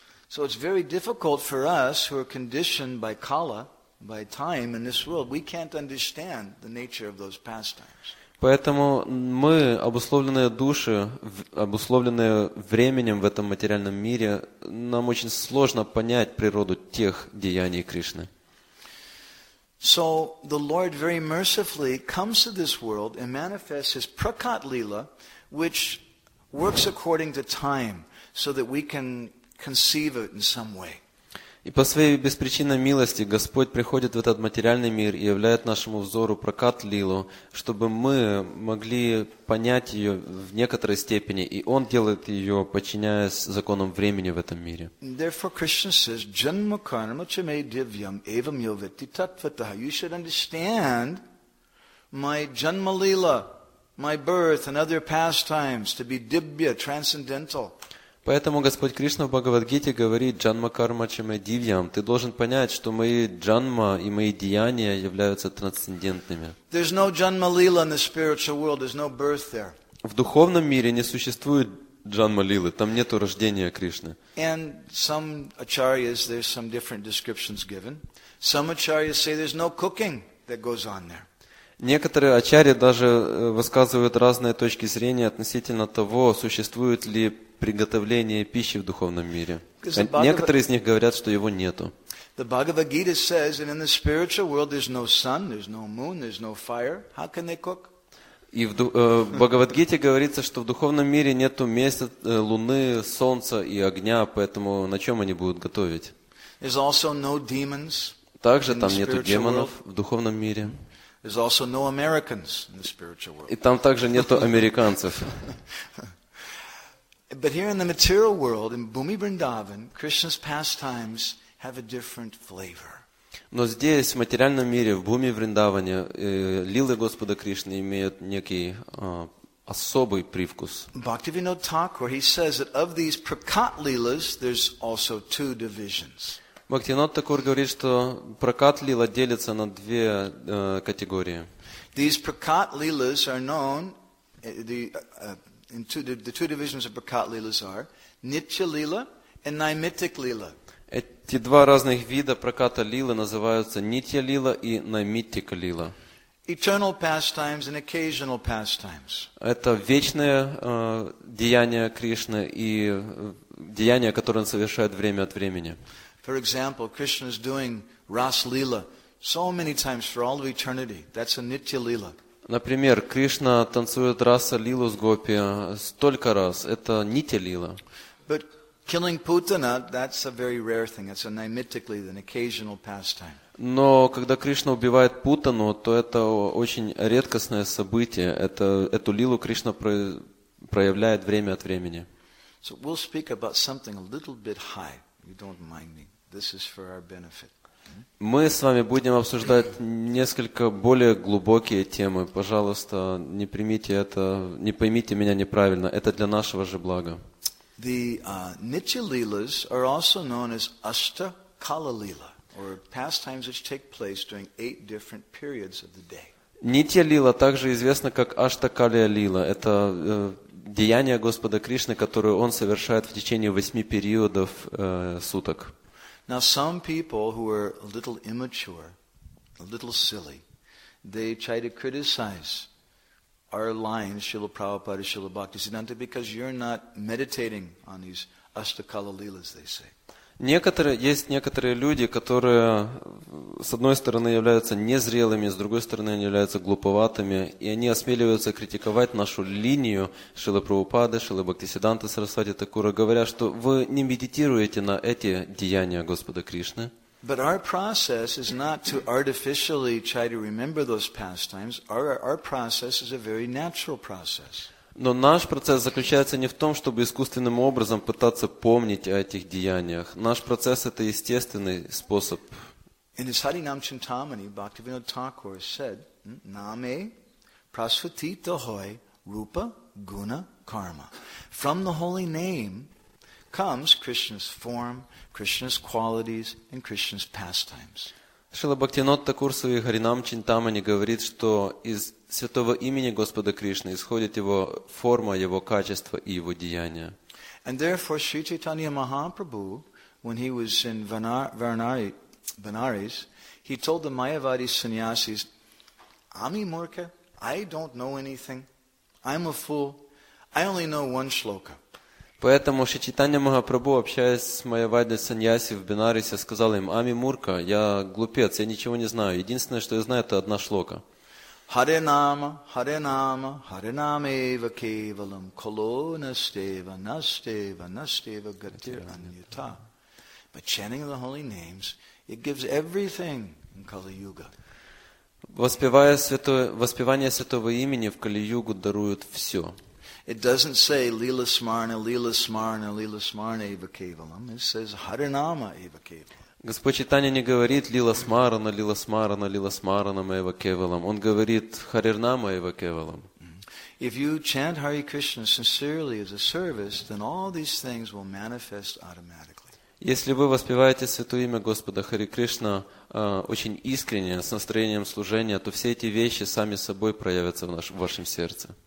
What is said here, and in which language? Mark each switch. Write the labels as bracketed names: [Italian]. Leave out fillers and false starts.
[English] So it's very difficult for us who are conditioned by kala, by time in this world, we can't understand the nature of those pastimes. [Russian] Поэтому мы, обусловленные души, обусловленные временем в этом материальном мире, нам очень сложно понять природу тех деяний Кришны. [English] So the Lord very mercifully comes to this world and manifests his prakat lila, which works according to time, so that we can conceive it in some way. [Russian] И по своей беспричинной милости Господь приходит в этот материальный мир и являет нашему взору прокат лилу, чтобы мы могли понять ее в некоторой степени, и Он делает ее, подчиняясь законам времени в этом мире. [English] Therefore, Krishna says, [Sanskrit] "Janma karma chame divyam evam yovati tatvatah." [English] You should understand my janma lila, my birth and other pastimes to be divya, transcendental. [Russian] Поэтому Господь Кришна в Бхагавадгите говорит [Sanskrit] «Джанма карма чаме дивьям». [Russian] Ты должен понять, что мои джанма и мои деяния являются трансцендентными. [English] There's no janma lila in the spiritual world. There's no birth there. [Russian] В духовном мире не существует джанма лилы. Там нет рождения Кришны. [English] And some acharyas, there's some different descriptions given. Some acharyas say there's no cooking that goes on there. [Russian] Некоторые ачарьи даже высказывают разные точки зрения относительно того, существует ли приготовление пищи в духовном мире. Некоторые из них говорят, что его нету. [English] The Bhagavad-gita says, and in the spiritual world there's no sun, there's no moon, there's no fire. How can they cook? [Russian] И в Бхагавад-гите говорится, что в духовном мире нету месяца, луны, солнца и огня, поэтому на чем они будут готовить? [English] There's also no demons. [Russian] Также там нету демонов в духовном мире. [English] There's also no Americans in the spiritual world. [Russian] И там также нету американцев. [English] But here in the material world, in Bhumi Vrindavan, Krishna's pastimes have a different flavor. [Russian] Но здесь, в материальном мире, в Бхуми Вриндаване, лилы Господа Кришны имеют некий особый привкус. [English] Бхактивинода Тхакур, he says that of these prakat lilas, there's also two divisions. [Russian] Бхактивинода Тхакур говорит, что прокат лила делится на две категории. [English] These prakat lilas are known, the two divisions of prakat lilas are nitya lila and naimittik lila. [Russian] Эти два разных вида проката лилы называются нитья лила и наймиттика лила. [English] Eternal pastimes and occasional pastimes. [Russian] Это вечное деяние Кришны и деяние, которое он совершает время от времени. [English] For example, Krishna is doing Ras Lila so many times for all of eternity. That's a nitya lila. [Russian] Например, Кришна танцует Раса Лилу с Гопи столько раз. Это нитья лила. [English] But killing Putana, that's a very rare thing. It's a naimittik lila, an occasional pastime. [Russian] Но когда Кришна убивает Путану, то это очень редкостное событие. Эту лилу Кришна проявляет время от времени. [English] So we'll speak about something a little bit high. You don't mind me. This is for our benefit. [Russian] Мы с вами будем обсуждать несколько более глубокие темы. Пожалуйста, не примите это, не поймите меня неправильно. Это для нашего же блага. [English] The nitya lilas are also known as ashta kala lila, or pastimes which take place during eight different periods of the day. [Russian] Нитья лила также известна как аштакалия лила. Это деяние Господа Кришны, которое Он совершает в течение восьми периодов суток. [English] Now some people who are a little immature, a little silly, they try to criticize our lines, Śrīla Prabhupāda, Śrīla Bhaktisiddhānta, because you're not meditating on these ashtakala lilas, they say. [Russian] Есть некоторые люди, которые, с одной стороны, являются незрелыми, с другой стороны, они являются глуповатыми, и они осмеливаются критиковать нашу линию Шрилы Прабхупады, Шрилы Бхактисиддханты Сарасвати Такура, говоря, что вы не медитируете на эти деяния Господа Кришны. [English] But our process is not to artificially try to remember those pastimes. Our process is a very natural process. [Russian] Но наш процесс заключается не в том, чтобы искусственным образом пытаться помнить о этих деяниях. Наш процесс – это естественный способ. [English] In his Harinam Chintamani, Bhaktivinoda Thakur said, [Bangla] Name prasvatita hoy rupa guna karma. [English] From the holy name comes Krishna's form, Krishna's qualities, and Krishna's pastimes. [Russian] Шрила Бхактивинода Такур в своей Харинам Чинтамани говорит, что из святого имени Господа Кришны исходит его форма, его качество и его деяния. [English] And therefore, Sri Chaitanya Mahaprabhu, when he was in Banaras, he told the Mayavadi sannyasis, [Bangla] Ami Murka, [English] I don't know anything. I'm a fool. I only know one shloka. [Russian] Поэтому Шри Чайтанья Махапрабху, общаясь с Майявадой Саньяси в Бенарисе, сказал им, [Bangla] Ами Мурка, [Russian] я глупец, я ничего не знаю. Единственное, что я знаю, это одна шлока. [Sanskrit] Харинама, харинама, харинама эва кевалам, коло настева, настева, настева, гатираньята. [English] By chanting the holy names, it gives everything in Kali-Yuga. [Russian] Воспевание святого имени в Кали-Югу дарует все. [English] It doesn't say [Sanskrit] Lila Smarna, Lila Smarna, Lila Smarna Eva Kevalam. [English] It says [Sanskrit] Harinama Eva Kevalam. [Russian] Господь Чайтанья не говорит [Sanskrit] Лила Смарана, Лила Смарана, Лила Смарана Эва Кевалам. [Russian] Он говорит [Sanskrit] Харинама Эва Кевалам. [English] If you chant Hare Krishna sincerely as a service, then all these things will manifest automatically. [Russian] Если вы воспеваете святое имя Господа Хари Кришна очень искренне, с настроением служения, то все эти вещи сами собой проявятся в вашем сердце.